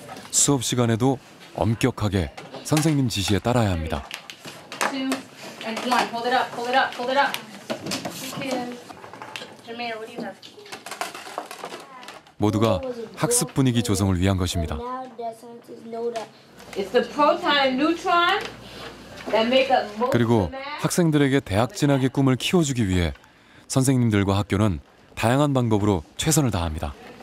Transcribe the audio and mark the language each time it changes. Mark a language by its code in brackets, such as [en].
[ko] 수업 시간에도 엄격하게 선생님 지시에 따라야 합니다. 모두가 학습 분위기 조성을 위한 것입니다. [en] It's the proton and neutron that make up. [ko] 그리고 학생들에게 대학 진학의 꿈을 키워주기 위해 선생님들과 학교는 다양한 방법으로 최선을 다합니다.